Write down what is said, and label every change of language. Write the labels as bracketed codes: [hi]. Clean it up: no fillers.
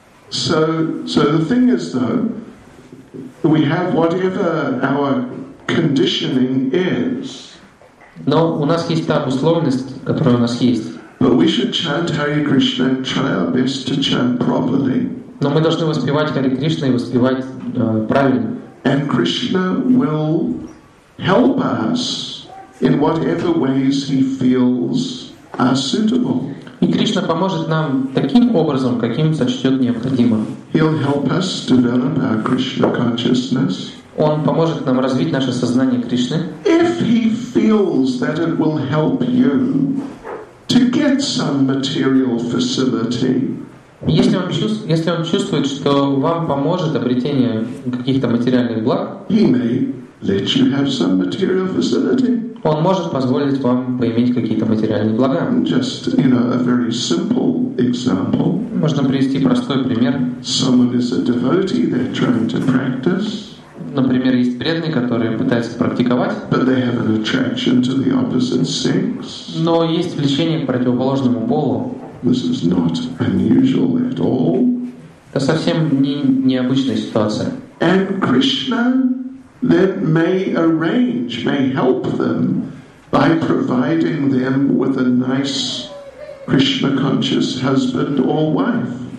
[en] So the thing is though, we have whatever our conditioning is. [ru] Но у нас есть та условность, которая у нас есть. [en] But we should chant Hare Krishna and try our best to chant properly. [ru] Но мы должны воспевать Хари Кришну и воспевать правильно. [en] And Krishna will help us in whatever ways he feels are suitable. [ru] И Кришна поможет нам таким образом, каким сочтет необходимо. [en] He'll help us develop our Krishna consciousness. [ru] Он поможет нам развить наше сознание Кришны. [en] If he feels that it will help you to get some material facility. [ru] Если он чувствует, что вам поможет обретение каких-то материальных благ, [en] he may let you have some material facility. [ru] Он может позволить вам поиметь какие-то материальные блага. [en] Just, you know, a very simple example. [ru] Можно привести простой пример. [en] Someone is a devotee, they're trying to practice. [ru] Например, есть преданные, которые пытаются практиковать. [en] But they have an attraction to the opposite sex. [ru] Но есть влечение к противоположному полу. [en] This is not unusual at all. [ru] Это совсем не необычная ситуация. [en] And Krishna then may arrange, may help them by providing them with a nice Krishna-conscious husband or wife.